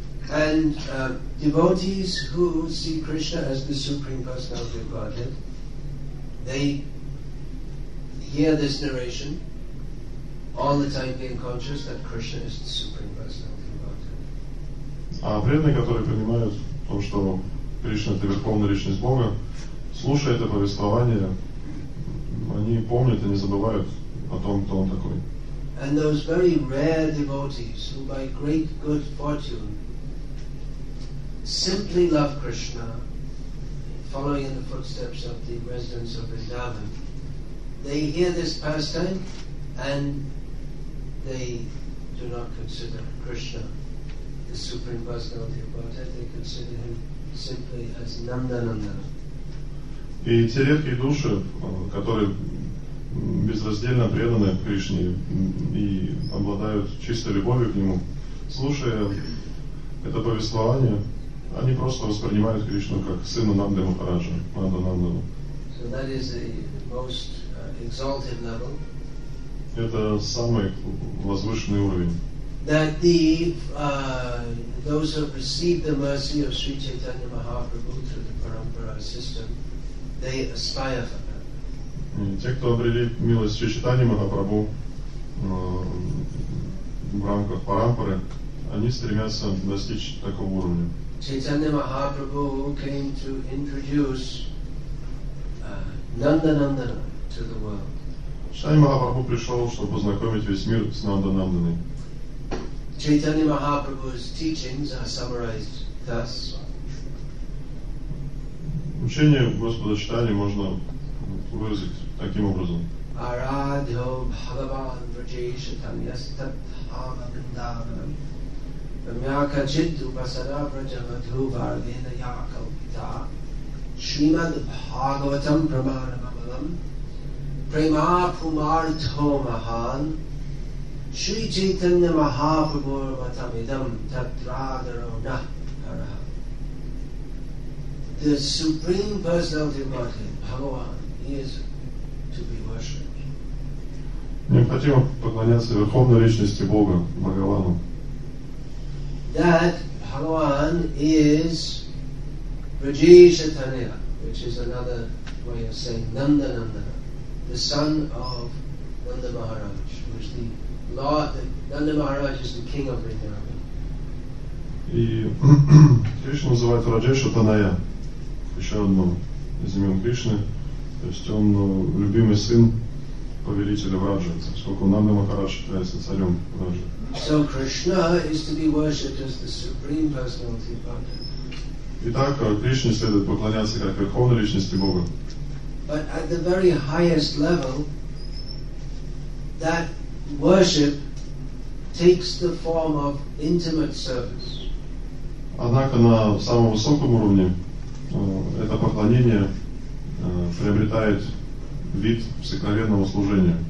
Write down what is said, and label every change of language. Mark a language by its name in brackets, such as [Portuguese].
[English] And devotees who see Krishna as the Supreme Personality of Godhead, they hear this narration all the time, being conscious that Krishna is the Supreme Personality of Godhead. [Russian] А преданные, которые понимают то, что Кришна — это Верховная Личность Бога, слушая это повествование, они помнят и не забывают о том, кто он такой. [English] And those very rare devotees who, by great good fortune, simply love Krishna, following in the footsteps of the residents of Vrindavan, they hear this pastime and they do not consider Krishna the Supreme Personality of Godhead. They consider him simply as Nanda Nandana. [Russian] И те редкие души, которые безраздельно преданы Кришне и обладают чистой любовью к нему, слушая это повествование, они просто воспринимают Кришну как сына Нанды Махараджа, Нанда Нандану. [English] So that is the most exalted level. [Russian] Это самый возвышенный уровень. [English] That the those who have received the mercy of Sri Chaitanya Mahaprabhu through the Parampara system, they aspire for that. [Russian] Те, кто обрели милость Шри Чайтаньи Махапрабху в рамках Парампары, они стремятся достичь такого уровня. [English] Chaitanya Mahaprabhu came to introduce Nanda Nandana to the world. [Russian] Чайтанья Махапрабху пришел, чтобы познакомить весь мир с Нанда Нанданой. [English] Чайтанья Махапрабху's teachings are summarized thus. [Russian] Учение Господа Чайтаньи можно выразить таким образом. [Sanskrit] Арадхо Бхагаван Враджешатам Ястатхама Бриндаванам Рамьяка Чидду Басара Враджамадху Варвена Якалпита Шримад Бхагаватам Прамарамамалам Prema Pumartho Mahan Sri Chaitanya Mahaprabhu Matamidam Tatradaro Nahara. [English] The Supreme Personality of Godhead, Bhagavan, is to be worshipped. [Russian] Необходимо поклоняться Верховной Личности Бога, Бхагавану. [English] That Bhagavan is Vrajeshatanya, which is another way of saying Nandanandana, the son of Nanda Maharaj, which the law, Nanda Maharaj is the king of Vrindavan. [Russian] И Кришна называет Раджеша Таная, еще одно из имен Кришны, то есть он любимый сын повелителя Враджа, поскольку Нанда Махарадж является царем Враджа. [English] So Krishna is to be worshipped as the supreme personality of Godhead. [Russian] Итак, Кришне следует поклоняться как верховной личности Бога. [English] But at the very highest level, that worship takes the form of intimate service. [Russian] Однако на самом высоком уровне это поклонение приобретает вид сокровенного служения.